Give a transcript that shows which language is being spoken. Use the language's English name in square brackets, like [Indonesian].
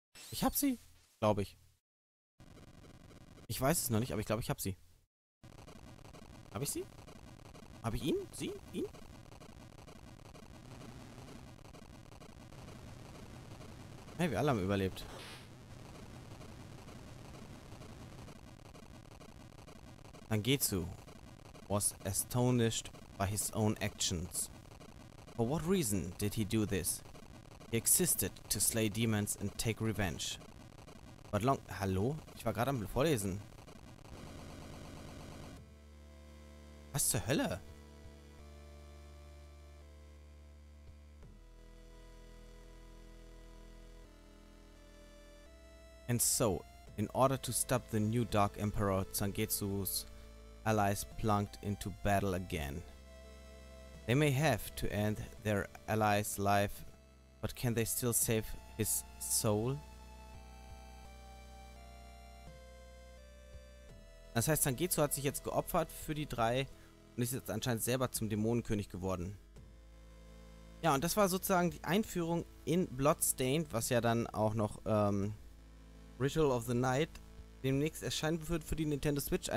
[German] Ich hab sie, glaube ich. Ich weiß es noch nicht, aber ich glaube, ich habe sie. Habe ich sie? Habe ich ihn? Sie? Ihn? Hey, wir alle haben überlebt. [English] Tangetsu was astonished by his own actions. For what reason did he do this? He existed to slay demons and take revenge. But long... Hallo? [German] Ich war gerade am Vorlesen. Was zur Hölle? [English] And so, in order to stop the new Dark Emperor, Zangetsu's allies plunged into battle again. They may have to end their ally's life, but can they still save his soul? [German] Das heißt, Zangetsu hat sich jetzt geopfert für die drei... Und ist jetzt anscheinend selber zum Dämonenkönig geworden. Ja, und das war sozusagen die Einführung in Bloodstained, was ja dann auch noch Ritual of the Night demnächst erscheinen wird für die Nintendo Switch.